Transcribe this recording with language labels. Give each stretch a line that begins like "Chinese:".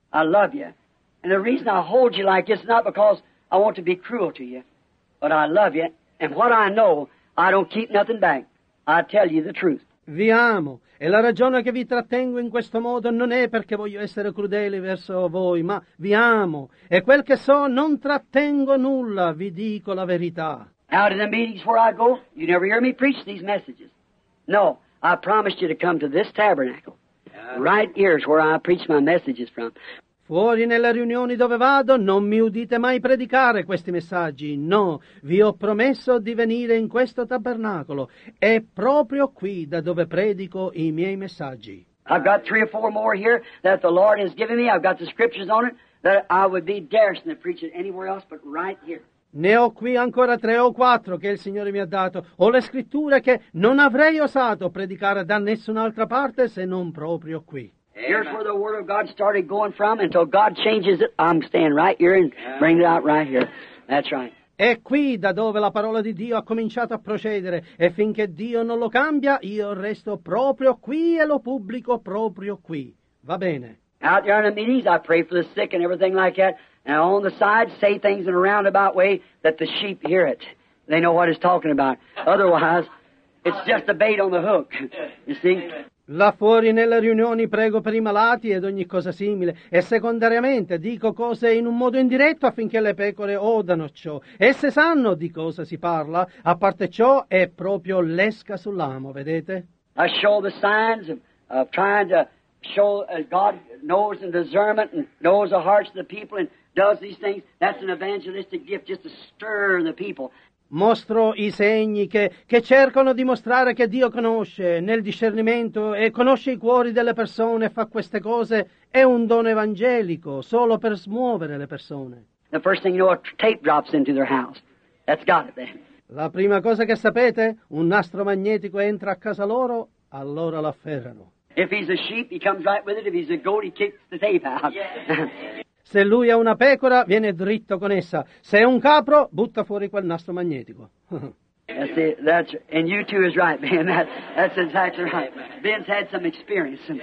English: I love you. And the reason I hold you like this is not because I want to be cruel to you. But I love you. And what I know, I don't keep nothing back. I tell you the truth.
Italian: Vi amo. E la ragione che vi trattengo in questo modo non è perché voglio essere crudele verso voi, ma vi amo. E quel che so, non trattengo nulla. Vi dico la verità.
English: Out in the meetings where I go, you never hear me preach these messages. No, I promised you to come to this tabernacle. Right here is where I preach my messages from.
Italian: Fuori nelle riunioni dove vado, non mi udite mai predicare questi messaggi. No, vi ho promesso di venire in questo tabernacolo. È proprio qui da dove predico i miei messaggi.
English: I've got three or four more here that the Lord has given me. I've got the scriptures on it that I would be daring to preach it anywhere else but right here.
Italian: Ne ho qui ancora tre o quattro che il Signore mi ha dato. Ho le scritture che non avrei osato predicare da nessun'altra parte se non proprio qui.
English: Here's where the word of God started going from. Until God changes it, I'm staying right here and bring it out right here. That's right.
Italian: È qui da dove la parola di Dio ha cominciato a procedere. E finché Dio non lo cambia, io resto proprio qui e lo pubblico proprio qui. Va bene.
English: Out there in the meetings, I pray for the sick and everything like that. And on the side, say things in a roundabout way that the sheep hear it. They know what it's talking about. Otherwise, it's just a bait on the hook. You see?
Italian: Là fuori nelle riunioni prego per i malati ed ogni cosa simile. E secondariamente dico cose in un modo indiretto affinché le pecore odano ciò. Esse sanno di cosa si parla. A parte ciò è proprio l'esca sull'amo, vedete?
English: I show the signs of trying to show as God knows and discernment and knows the hearts of the people and does these things. That's an evangelistic gift just to stir the people.
Italian: Mostro i segni che cercano di mostrare che Dio conosce nel discernimento e conosce i cuori delle persone e fa queste cose. È un dono evangelico, solo per smuovere le persone.
English: The first thing you know, a tape drops into their house. That's got it, then.
Italian: La prima cosa che sapete, un nastro magnetico entra a casa loro, allora lo afferrano.
English: If he's a sheep, he comes right with it. If he's a goat, he kicks the tape out.
Italian: Se lui è una pecora, viene dritto con essa. Se è un capro, butta fuori quel nastro magnetico.
English: That's it. That's, and you too is right, Ben. That's exactly right. Ben's had some experience.